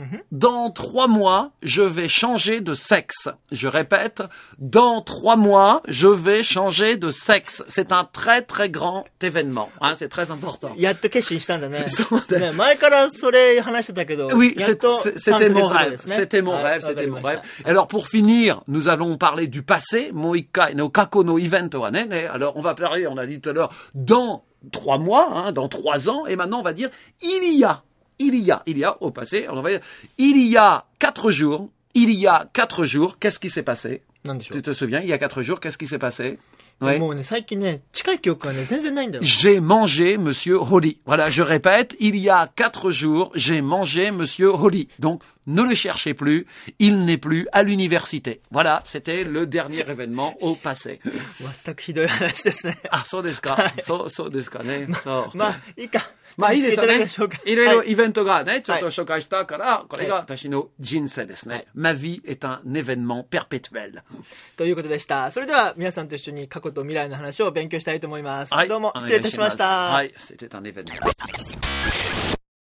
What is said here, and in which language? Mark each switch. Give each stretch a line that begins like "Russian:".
French: Dans trois mois, je vais changer de sexe. Je répète, dans trois mois, je vais changer de sexe. C'est un très très grand événement. Hein, c'est très important.
Japanese: やっと決心したんだね。そうだね。前からそれ話してたけど。
French: Oui, c'était mon rêve. C'était mon rêve. Alors pour finir, nous allons parler du passé.
Japanese: もう一回、の過去のイベントはね。
French: Alors on va parler, on a dit tout à l'heure, dans trois mois, hein, dans trois ans. Et maintenant on va dire, il y a au passé, on va dire, il y a quatre jours, qu'est-ce qui s'est passé? Tu te souviens, il y a quatre jours, qu'est-ce qui s'est passé? Oui.
Japanese: もうね、最近ね、近い記憶はね、全然ないんだよ。
French: J'ai mangé Monsieur Holly. Voilà, je répète, il y a quatre jours, j'ai mangé Monsieur Holly. Donc, ne le cherchez plus, il n'est plus à l'université. Voilà, c'était le dernier événement au passé.
Japanese: 全くひどい話ですね。あ、そうですか。そうですかね。そう。まあ、いいか。まあいいですよね。いろいろイベントがね、ちょっと紹介したから、これが私の人生ですね。
French: Ma vie est un événement perpétuel。
Japanese: ということでした。それでは皆さんと一緒に過去と未来の話を勉強したいと思います。はい、どうも失礼いたしました。
French: はい、c'était un événement。